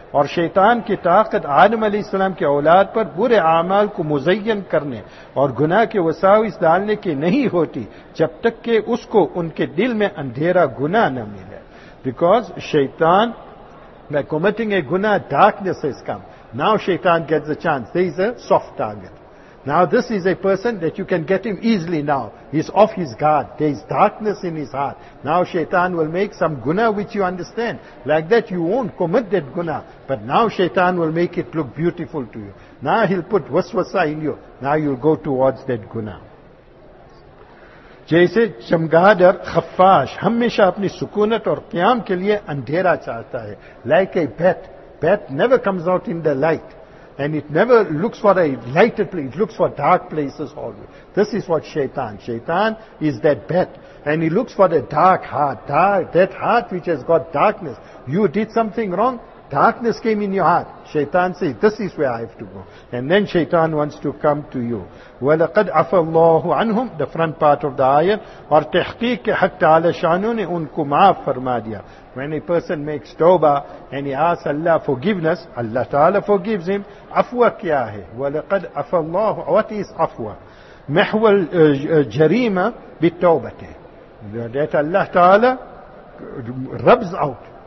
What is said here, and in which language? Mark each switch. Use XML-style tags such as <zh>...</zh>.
<ur>اور شیطان کی طاقت آدم علیہ السلام کے اولاد پر برے اعمال کو مزین کرنے اور گناہ کے وساوس ڈالنے کی نہیں ہوتی جب تک کہ اس کو ان کے دل میں اندھیرا گناہ نہ ملے.</ur> <en>Because شیطان, by committing a guna, darkness has come. Now شیطان gets a chance. There is a soft target. Now this is a person that you can get him easily now. He's off his guard. There is darkness in his heart. Now shaitan will make some guna which you understand. Like that you won't commit that guna. But now shaitan will make it look beautiful to you. Now he'll put waswasa in you. Now you'll go towards that guna.</en> <ur>جیسے چمگادر خفاش ہمیشہ اپنی سکونت اور قیام کے لیے اندھیرا چاہتا ہے.</ur> <en>Like a bat. Bat never comes out in the light. And it never looks for a lighted place. It looks for dark places always. This is what shaitan. Shaitan is that bat. And he looks for the dark heart. That heart which has got darkness. You did something wrong. Darkness came in your heart. Shaitan says, this is where I have to go. And then Shaitan wants to come to you.</en> <ar>وَلَقَدْ عَفَى اللَّهُ عَنْهُمْ</ar> <en>The front part of the ayah.</en> <ur>اور تحقیق کے حق تعالی شانوں نے ان کو معاف فرما دیا.</ur> <en>When a person makes tawbah and he asks Allah forgiveness, Allah Ta'ala forgives him.</en> <ur>عفوة کیا ہے؟</ur> <ar>وَلَقَدْ عَفَى اللَّهُ</ar> <en>What is عفوة?</en> <ar>مَحْوَى الْجَرِيمَ بِالتَّوْبَةِ</ar> <en>That Allah Ta'ala rubs out.</en>